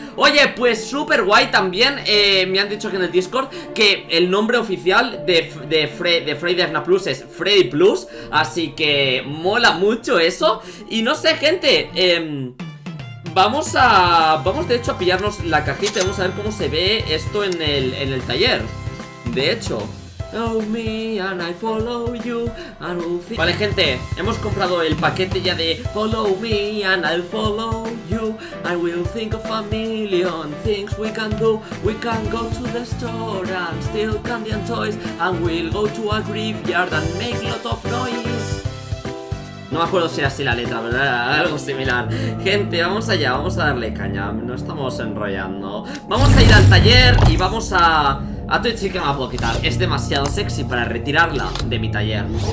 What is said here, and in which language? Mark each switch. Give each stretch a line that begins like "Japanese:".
Spanish: Oye, pues súper guay también. Me han dicho aquí en el Discord que el nombre oficial de Freddy de Fnaf Plus es Freddy Plus. Así que mola mucho eso. Y no sé, gente. Vamos de hecho a pillarnos la cajita. Vamos a ver cómo se ve esto en el taller. De hecho.
English: Oh, me and I follow you and we'll see.
Spanish: Vale, gente, hemos comprado el paquete ya de Follow me and I'll follow you.
English: I will think of a million things we can do. We can go to the store and steal candy and toys. And we'll go to a graveyard and make lot of noise.
Spanish: No me acuerdo si era así la letra, pero era algo similar. Gente, vamos allá, vamos a darle caña. No estamos enrollando. Vamos a ir al taller y vamos a... A Twitch sí que me la puedo quitar. Es demasiado sexy para retirarla de mi taller.